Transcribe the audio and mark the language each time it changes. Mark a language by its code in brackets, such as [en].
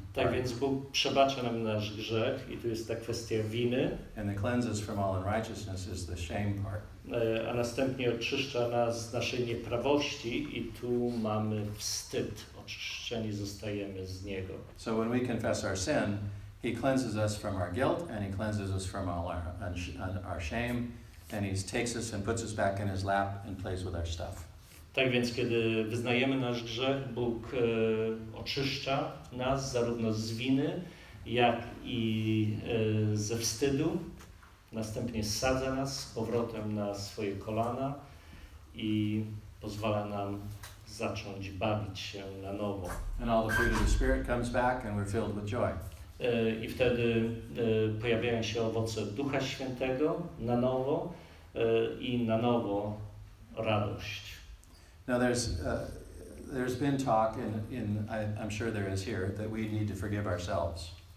[pl] Tak więc Bóg przebacza nam nasz grzech i tu jest ta kwestia winy. [en] And the cleanses from all unrighteousness is the shame part. [pl] A następnie oczyszcza nas z naszej nieprawości i tu mamy wstyd. Oczyszczeni zostajemy z Niego. [en] So when we confess our sin, He cleanses us from our guilt and He cleanses us from all our shame and He takes us and puts us back in His lap and plays with our stuff. [pl] Tak więc, kiedy wyznajemy nasz grzech, Bóg oczyszcza nas zarówno z winy, jak i ze wstydu. Następnie sadza nas z powrotem na swoje kolana i pozwala nam zacząć bawić się na nowo. [en] And all the fruit of the Spirit comes back and we're filled with joy. [pl] I wtedy pojawiają się owoce Ducha Świętego na nowo i na nowo radość. [en] Now there's been talk, and I'm sure there is here, that we need to forgive ourselves.